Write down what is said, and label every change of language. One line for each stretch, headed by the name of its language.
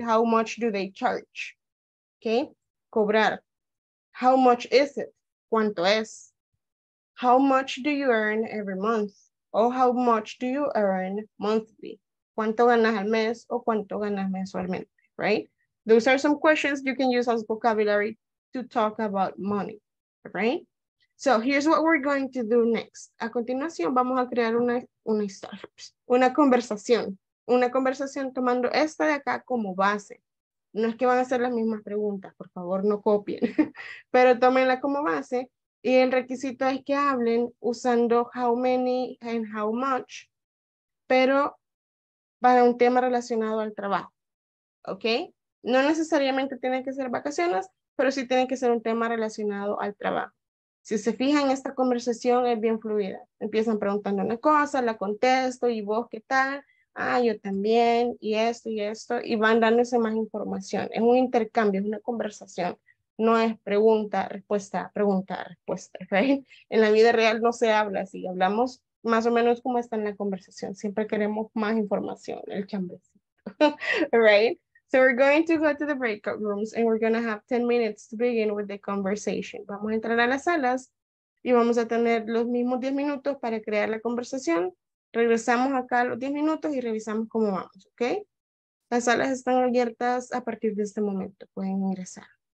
English: How much do they charge? Okay, cobrar. How much is it?
Spanish: ¿Cuánto es?
English: How much do you earn every month? Or how much do you earn monthly?
Spanish: ¿Cuánto ganas al mes o cuánto ganas mensualmente, right?
English: Those are some questions you can use as vocabulary to talk about money, right? So here's what we're going to do next.
Spanish: A continuación vamos a crear una conversación tomando esta de acá como base. No es que van a hacer las mismas preguntas, por favor no copien, pero tómenla como base Y el requisito es que hablen usando how many and how much, pero para un tema relacionado al trabajo. ¿Ok? No necesariamente tiene que ser vacaciones, pero sí tiene que ser un tema relacionado al trabajo. Si se fijan, esta conversación es bien fluida. Empiezan preguntando una cosa, la contesto, y vos, ¿qué tal? Ah, yo también, y esto, y esto. Y van dándose más información. Es un intercambio, es una conversación. No es pregunta, respuesta, pregunta, respuesta. ¿Okay? En la vida real no se habla así. Hablamos más o menos como está en la conversación. Siempre queremos más información, el chambrecito. Right?
English: So we're going to go to the breakout rooms and we're going to have 10 minutes to begin with the conversation.
Spanish: Vamos a entrar a las salas y vamos a tener los mismos 10 minutos para crear la conversación. Regresamos acá a los 10 minutos y revisamos cómo vamos, ¿ok? Las salas están abiertas a partir de este momento. Pueden ingresar.